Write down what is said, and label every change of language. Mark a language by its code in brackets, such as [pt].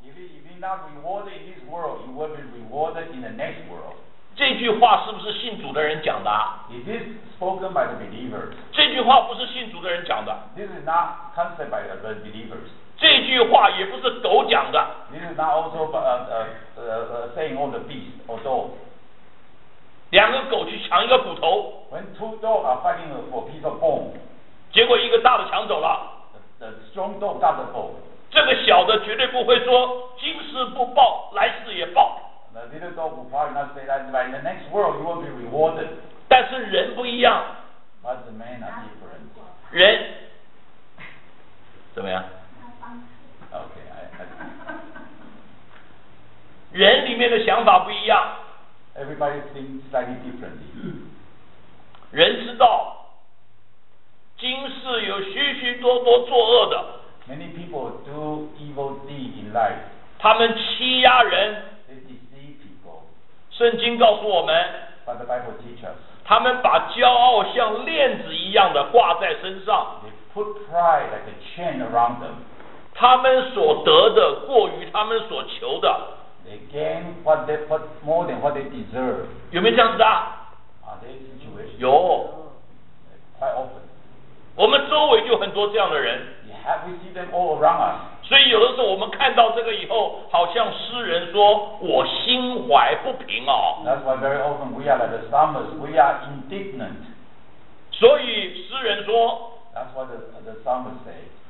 [en] If you're not rewarded in this world, you will be rewarded in the next world. [zh] 这句话是不是信主的人讲的？ [en] It is spoken by the believers. [zh] 这句话不是信主的人讲的。 [en] This is not concept by the believers. [zh] 这句话也不是狗讲的。 [en] This is not also saying on the beast or dog. [zh] 两个狗去抢一个骨头。 [en] When two dogs are fighting for a piece of bone. [zh] 结果一个大的抢走了。 [en] The strong dog got the bone. [zh] 这个小的绝对不会说今世不报来世也报。 [en] The little dog will probably not say that. But in the next world, you will be rewarded. [zh] 但是人不一样。 [en] But the man are different. [zh] 人怎么样 [en] ？Okay, I. [zh] 人里面的想法不一样。 [en] Everybody thinks slightly differently. [zh] 人知道今世有许许多多作恶的。 [en] Many people do evil deeds in life. [zh] 他们欺压人。 [en] They deceive people. [zh] 圣经告诉我们。 [en] But the Bible teaches. [zh] 他们把骄傲像链子一样的挂在身上。 [en] They put pride like a chain around them. [zh] 他们所得的过于他们所求的。 [en] They gain what they put more than what they deserve. [zh] 有没有这样子的？ [en] Are they situations? [zh] 有。 [en] Quite often. [zh] 我们周围就很多这样的人。 [en] Have we seen them all around us? [zh] 所以有的时候我们看到这个以后，好像诗人说：“我心怀不平啊。” [en] That's why very often we are like the psalmist. We are indignant. [zh] 所以诗人说 [en] ：“That's what the psalmist says.